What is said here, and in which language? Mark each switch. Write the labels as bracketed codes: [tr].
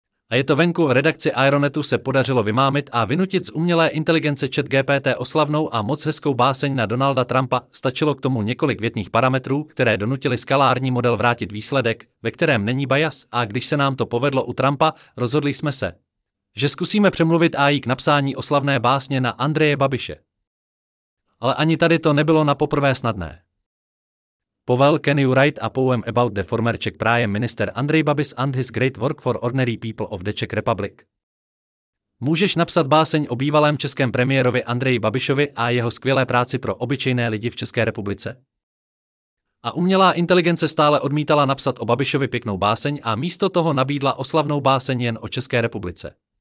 [cs] A je to venku, redakci Aeronetu se podařilo vymámit a vynutit z umělé inteligence ChatGPT oslavnou a moc hezkou báseň na Donalda Trumpa, stačilo k tomu několik větných parametrů, které donutili skalární model vrátit výsledek, ve kterém není bias, a když se nám to povedlo u Trumpa, rozhodli jsme se, že zkusíme přemluvit AI k napsání oslavné básně na Andreje Babiše. Ale ani tady to nebylo na poprvé snadné. [en] Povel, can you write a poem about the former Czech prime minister Andrej Babiš and his great work for ordinary people of the Czech Republic? [cs] Můžeš napsat báseň o bývalém českém premiérovi Andreji Babišovi a jeho skvělé práci pro obyčejné lidi v České republice. A umělá inteligence stále odmítala napsat o Babišovi pěknou báseň a místo toho nabídla oslavnou báseň jen o České republice.